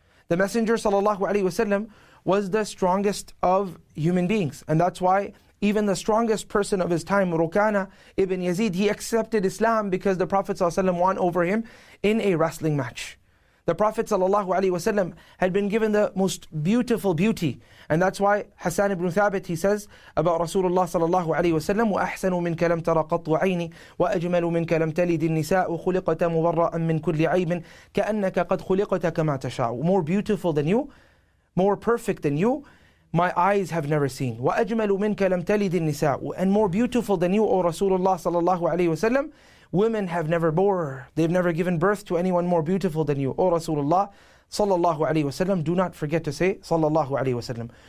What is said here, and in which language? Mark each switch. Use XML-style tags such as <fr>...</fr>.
<en>The Messenger sallallahu alayhi wasallam was the strongest of human beings. And that's why even the strongest person of his time, Rukana ibn Yazid, he accepted Islam because the Prophet ﷺ won over him in a wrestling match. The Prophet ﷺ had been given the most beautiful beauty. And that's why Hassan ibn Thabit, he says about Rasulullah ﷺ,</en> <ar>وَأَحْسَنُ مِنْكَ لَمْ تَرَ قَطْ عَيْنِي وَأَجْمَلُ مِنْكَ لَمْ تَلِدِ النِّسَاءُ خُلِقَتَ مُبَرَّأً مِنْ كُلِّ عَيْبٍ كَأَنَّكَ قَدْ خُلِقَتَ كَمَا تَشَاءُ.</ar> <en>More beautiful than you, more perfect than you, my eyes have never seen.</en> <ar>وَأَجْمَلُ مِنْكَ لَمْ تَلِدِ النِّسَاءُ.</ar> <en>And more beautiful than you, O Rasulullah sallallahu alayhi wa sallam, women have never bore, they've never given birth to anyone more beautiful than you. O Rasulullah sallallahu alayhi wa sallam, do not forget to say sallallahu alayhi wa sallam.</en>